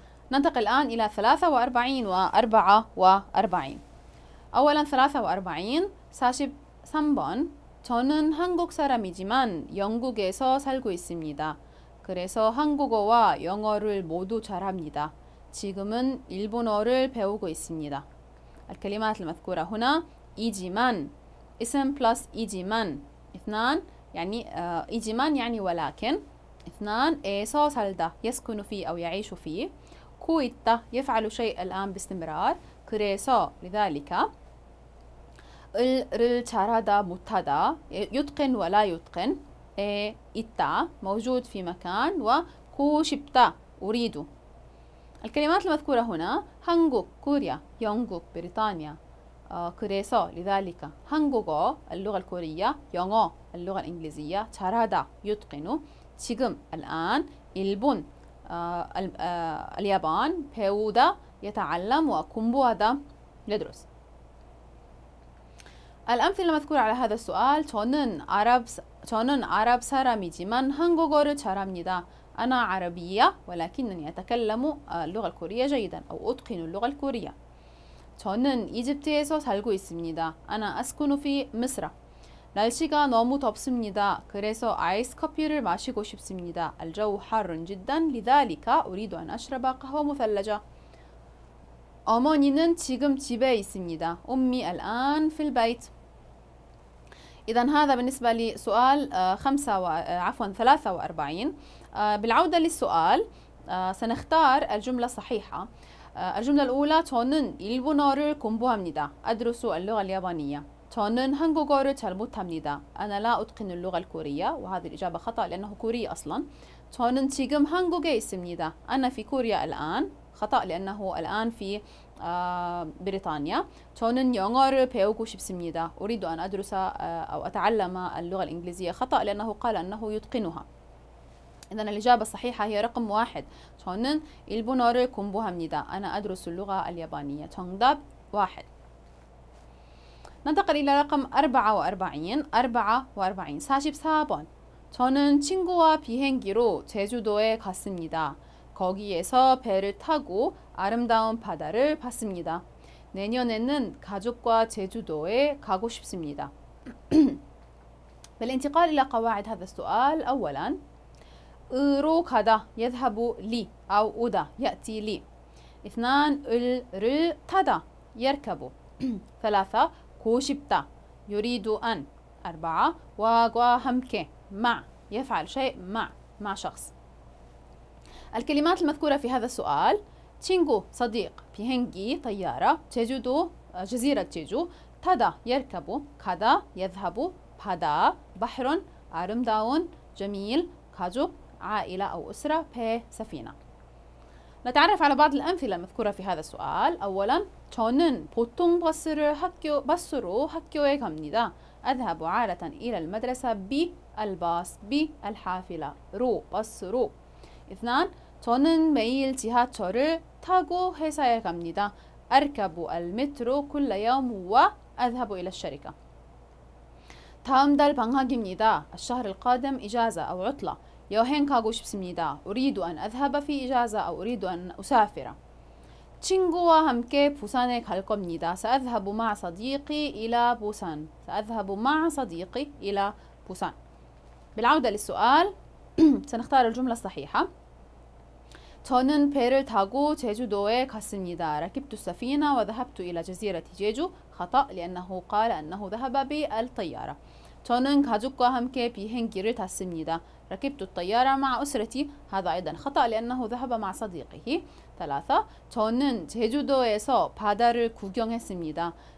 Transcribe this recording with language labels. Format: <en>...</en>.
<ar>ننتقل الآن إلى 43 و44 أولا 43</ar> <ko>43번 저는 한국 사람이지만 영국에서 살고 있습니다 그래서 한국어와 영어를 모두 잘합니다. 지금은 일본어를 배우고 있습니다.</ko> <ar>الكلمات المذكورة هنا 이지만 اسم plus 이지만 اثنان يعني 이지만 يعني ولكن اثنان 에서 살다 يسكن في أو يعيش في 코 있다 يفعل شيء الآن باستمرار 그래서 لذلك 을를 잘하다 못하다 يتقن ولا يتقن 에 있다 موجود في مكان و 고 싶다 أريد الكلمات المذكورة هنا 한국 كوريا 영국 بريطانيا 그래서 لذلك 한국어 اللغة الكورية 영어 اللغة الإنجليزية 잘하다 يتقن 지금 الآن 일본 اليابان 배우다 يتعلم و 공부하다 يدرس الأمثلة المذكورة على هذا السؤال</ar> <ko>저는 아랍 사람이지만 한국어를 잘합니다.</ko> <ar>أنا عربية ولكنني أتكلم اللغة الكورية جيدا أو أتقن اللغة الكورية.</ar> <ko>저는 이집트에서 살고 있습니다.</ko> <ar>أنا أسكن في مصر.</ar> <ko>날씨가 너무 덥습니다. 그래서 아이스 커피를 마시고 싶습니다.</ko> <ar>الجو حار جدا لذلك أريد أن أشرب قهوة مثلجة.</ar> <ko>어머니는 지금 집에 있습니다.</ko> <ar>엄미 الآن في البيت. إذن هذا بالنسبة لسؤال 43 بالعودة للسؤال سنختار الجملة الصحيحة الجملة الأولى</ar> <ko>저는 일본어를 공부합니다</ko> <ar>أدرس اللغة اليابانية</ar> <ko>저는 한국어를 잘 못합니다</ko> <ar>أنا لا أتقن اللغة الكورية وهذه الإجابة خطأ لأنه كوري أصلا</ar> <ko>저는 지금 한국에 있습니다</ko> <ar>أنا في كوريا الآن خطأ لأنه الآن في بريطانيا</ar> <ko>저는 영어를 배우고 싶습니다</ko> <ar>أريد أن أدرس أو أتعلم اللغة الإنجليزية خطأ لأنه قال أنه يتقنها إذن الإجابة الصحيحة هي رقم 1</ar> <ko>저는 일본어를 공부합니다</ko> <ar>أنا أدرس اللغة اليابانية 정답 1 ننتقل إلى رقم 44</ar> <ko>44번 저는 친구와 비행기로 제주도에 갔습니다 거기에서 배를 타고 아름다운 바다를 봤습니다. 내년에는 가족과 제주도에 가고 싶습니다.</ko> <ar>بالانتقال إلى قواعد هذا السؤال أولاً 으로 가다 يذهب لي أو 오다 يأتي لي 2. 을를 타다 يركب 3. 고 싶다 يريد أن 4. 와과 함께 مع يفعل شيء مع شخص الكلمات المذكورة في هذا السؤال تشينغو صديق بيهنجي طيارة جيجودو جزيرة جيجو تادا يركب كادا يذهب بادا بحر آرمداون جميل كاجو عائلة أو أسرة بي سفينة نتعرف على بعض الأمثلة المذكورة في هذا السؤال.</ar> <ko>أولاً 저는 보통 버스를 학교 버스로 학교에 갑니다.</ko> <ar>أذهب عادة إلى المدرسة بالباص بالحافلة رو بصرو.</ar> <ko>اثنان 저는 매일 지하철을 타고 회사에 갑니다.</ko> <ar>أركب المترو كل يوم وأذهب إلى الشركة.</ar> <ko>다음 달 방학입니다.</ko> <ar>الشهر القادم إجازة أو عطلة.</ar> <ko>여행 가고 싶습니다.</ko> <ar>أريد أن أذهب في إجازة أو أريد أن أسافر.</ar> <ko>친구와 함께 부산에 갈 겁니다.</ko> <ar>سأذهب مع صديقي إلى بوسان. سأذهب مع صديقي إلى بوسان. بالعودة للسؤال سنختار الجملة الصحيحة.</ar> <ko>저는 배를 타고 제주도에 갔습니다.</ko> <ar>ركبت السفينة وذهبت إلى جزيرة جيجو. خطأ لأنه قال أنه ذهب بالطيارة.</ar> <ko>저는 가족과 함께 비행기를 탔습니다.</ko> <ar>ركبت الطيارة مع أسرتي. هذا أيضا خطأ لأنه ذهب مع صديقه. 3.</ar> <ko>저는 제주도에서 바다를 구경했습니다.</ko>